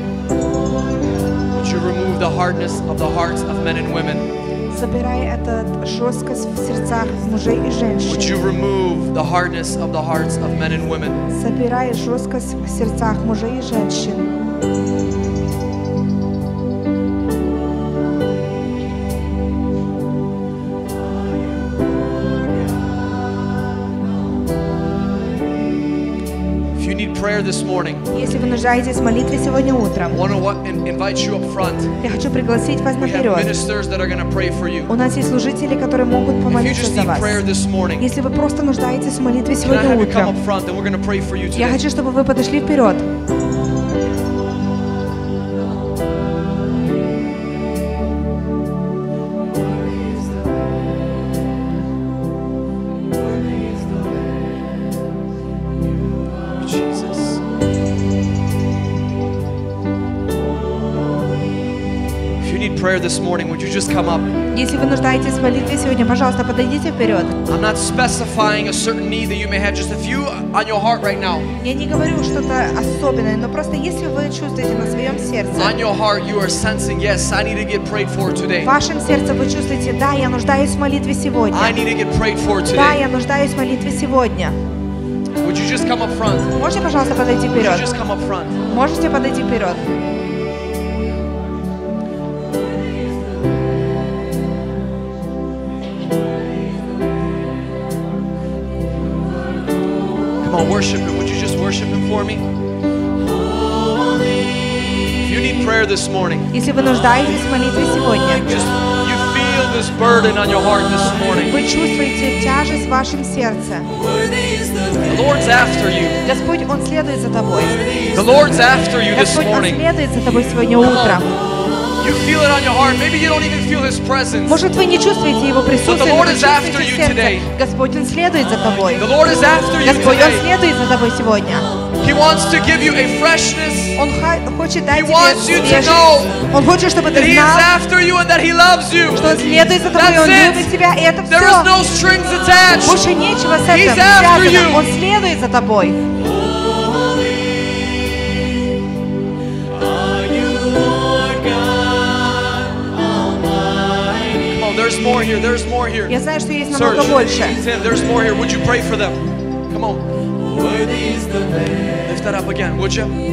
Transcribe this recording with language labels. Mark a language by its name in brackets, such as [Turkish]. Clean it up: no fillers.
[English] Would you remove the hardness of the hearts of men and women? [Russian] Забирай этот жесткость в сердцах мужей и женщин. [English] Would you remove the hardness of the hearts of men and women? [Russian] Забирай жесткость в сердцах мужей и женщин. [English] Prayer this morning. [Russian] Если вы нуждаетесь в молитве сегодня утром, [English] invite you up front. [Russian] Я хочу пригласить вас наперед. [English] Ministers that are going to pray for you. [Russian] У нас есть служители, которые могут помолиться за вас. Если вы просто нуждаетесь в молитве сегодня утром, [English] can I have you come up front, then we're going to pray for you today. [Russian] Я хочу, чтобы вы подошли вперед. [English] This morning, would you just come up? [Russian] Если вы нуждаетесь в молитве сегодня, пожалуйста, подойдите вперед. [English] I'm not specifying a certain need that you may have, just a few on your heart right now. [Russian] Я не говорю что-то особенное, но просто если вы чувствуете на своем сердце. [English] On your heart, you are sensing, yes, I need to get prayed for today. [Russian] В вашем сердце вы чувствуете, да, я нуждаюсь в молитве сегодня. [English] I need to get prayed for today. [Russian] Да, я нуждаюсь в молитве сегодня. [English] Would you just come up front? [Russian] Можете, пожалуйста, подойти вперед. [English] Would you just come up front? [Russian] Можете подойти вперед. [English] Worship Him. Would you just worship Him for me? If you need prayer this morning, [Russian] если вы нуждаетесь в молитве сегодня, [English] just you feel this burden on your heart this morning. [Russian] Вы чувствуете тяжесть в вашем сердце. [English] The Lord's after you. [Russian] Господь, Он следует за тобой. [English] The Lord's after you this morning. [Russian] Господь, Он следует за тобой сегодня утром. [English] You feel it on your heart. Maybe you don't even feel His presence. [Russian] Может, вы не чувствуете Его присутствие. [English] But the Lord is after you today. [Russian] Господь, Он следует за тобой. [English] The Lord is after you today. [Russian] Господь, Он следует за тобой сегодня. [English] He wants to give you a freshness. [Russian] Он хочет дать тебе свежесть. Он хочет, чтобы ты знал, что Он следует за тобой, Он любит тебя, и это все. [English] There is no strings attached. [Russian] Больше нечего с этим связано. Он следует за тобой. [English] There's more here. [Russian] Я знаю, что есть намного больше. [English] There's more here. Would you pray for them? Come on. Lift that up again, would you?